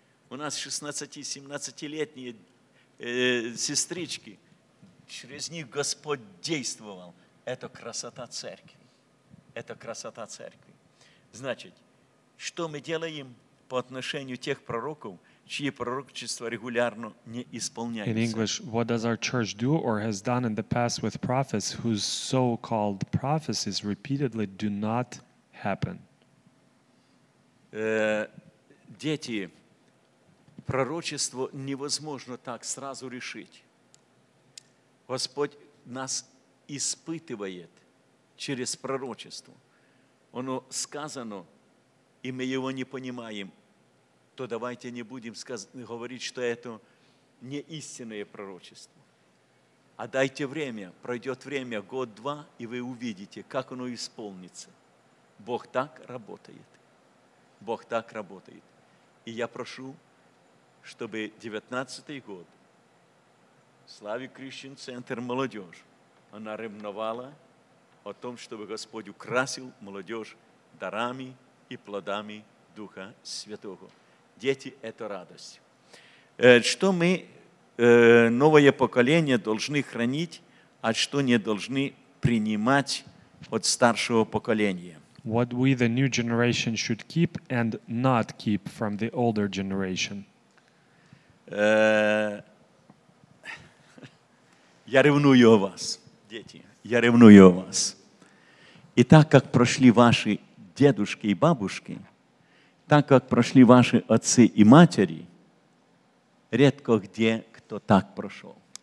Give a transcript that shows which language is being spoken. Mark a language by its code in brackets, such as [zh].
[ru] У нас 16-17-летние сестрички. Через них Господь действовал. Это красота церкви. Это красота церкви. Значит, что мы делаем по отношению тех пророков, чьи пророчества регулярно не исполняются? [en] In English, what does our church do or has done in the past with prophets whose so-called prophecies repeatedly do not happen? [ru] Дети, пророчество невозможно так сразу решить. Господь нас испытывает через пророчество. Оно сказано, и мы его не понимаем, то давайте не будем говорить, что это не истинное пророчество. А дайте время, пройдет время, год-два, и вы увидите, как оно исполнится. Бог так работает. Бог так работает. И я прошу, чтобы 19-й год Slavy Christian Center молодежь, она ревновала о том, чтобы Господь украсил молодежь дарами и плодами Духа Святого. Дети, это радость. Что мы, новое поколение, должны хранить, а что не должны принимать от старшего поколения? [en] What we, the new generation, should keep and not keep from the older generation? [ru] Я ревную о вас, дети, я ревную о вас. И так, как прошли ваши дедушки и бабушки, так, как прошли ваши отцы и матери, редко где кто так прошел.